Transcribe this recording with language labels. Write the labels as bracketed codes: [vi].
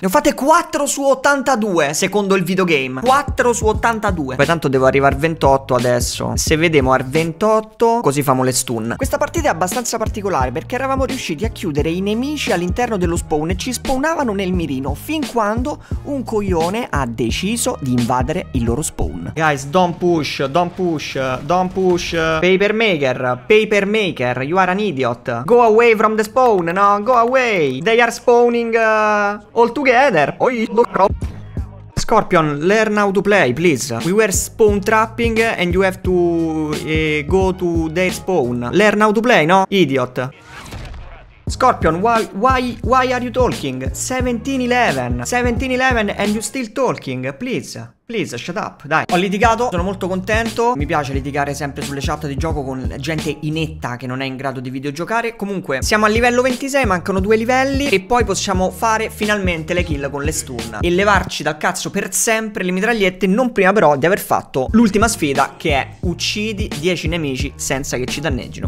[it] Ne ho fatte 4 su 82, secondo il videogame. 4 su 82. Poi tanto devo arrivare al 28 adesso. Se vediamo al 28, così famo le stun. Questa partita è abbastanza particolare, perché eravamo riusciti a chiudere i nemici all'interno dello spawn e ci spawnavano nel mirino. Fin quando un coglione ha deciso di invadere il loro spawn. [en] Guys, don't push, don't push, don't push. Paper maker, paper maker, you are an idiot. Go away from the spawn, no, go away. They are spawning all together. Oi, look up. Scorpion, learn how to play, please. We were spawn trapping and you have to go to their spawn. Learn how to play, no? Idiot. Scorpion, why are you talking? 17-11 and you still talking? Please, please, shut up, [it] dai. Ho litigato, sono molto contento. Mi piace litigare sempre sulle chat di gioco con gente inetta che non è in grado di videogiocare. Comunque, siamo a livello 26, mancano due livelli. E poi possiamo fare finalmente le kill con le stun e levarci dal cazzo per sempre le mitragliette. Non prima però di aver fatto l'ultima sfida, che è uccidi 10 nemici senza che ci danneggino.